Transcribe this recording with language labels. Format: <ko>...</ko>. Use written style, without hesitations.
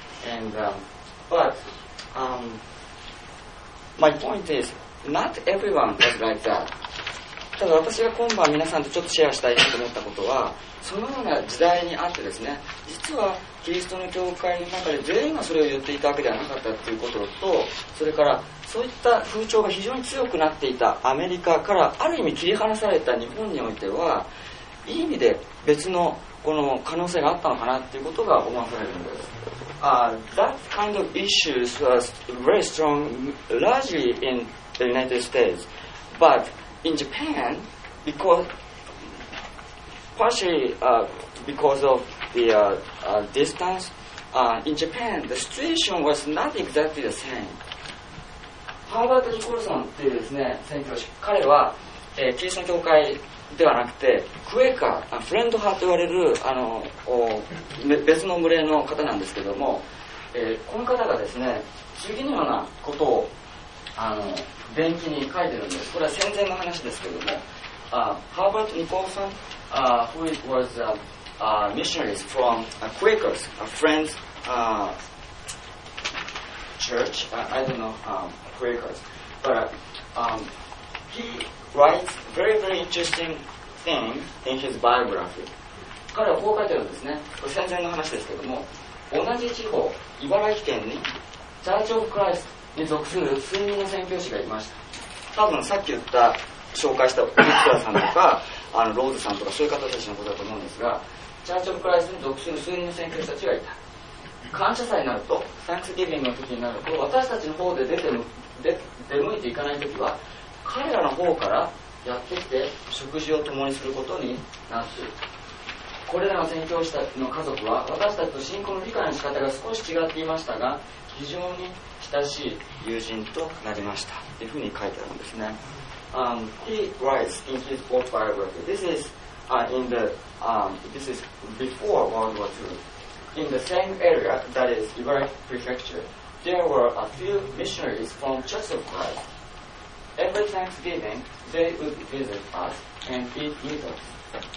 <en>And, my point is, not everyone was like that.</en> <ja>ただ私が今晩皆さんとちょっとシェアしたいと思ったことは、そのような時代にあってですね、実はキリストの教会の中で全員がそれを言っていたわけではなかったということと、それからそういった風潮が非常に強くなっていたアメリカからある意味切り離された日本においては、いい意味で別のこの可能性があったのかなということが思わされるんです。</ja> <en>That kind of issues was very strong largely in the United States, butIn Japan, because of the distance, in Japan, the situation was not exactly the same.</en> <ja>ハーバート・ニコルソンっていうですね、宣教師、彼はキリストの教会ではなくてクエカ、フレンド派と言われるあの別の群れの方なんですけども、この方がですね次のようなことをあの伝記に書いてるんです。これは戦前の話ですけども、</ja> <en>ハーバート・ニコルソン、who was a missionary from a Quakers, a friend's church, I don't know Quakers, but he writes very, very interesting thing in his biography.</en> <ja>彼はこう書いてるんですね。これ戦前の話ですけども、同じ地方、茨城県にチャーチ・オブ・クライストに属する数人の宣教師がいました。多分さっき言った紹介したミクラさんとかあのローズさんとかそういう方たちのことだと思うんですが、チャーチ・オブ・クライストに属する数人の宣教師たちがいた。感謝祭になると、サンクスギビングの時になると、私たちの方で出向いていかない時は、彼らの方からやってきて食事を共にすることになっている。これらの宣教師の家族は私たちと信仰の理解の仕方が少し違っていましたが、非常に親しい友人となりましたというふうに書いてあるんですね。</ja> <en>He writes in his autobiography. This is in the this is before World War II. In the same area, that is Ibaraki Prefecture, there were a few missionaries from Church of Christ. Every Thanksgiving, they would visit us and eat with us.</en>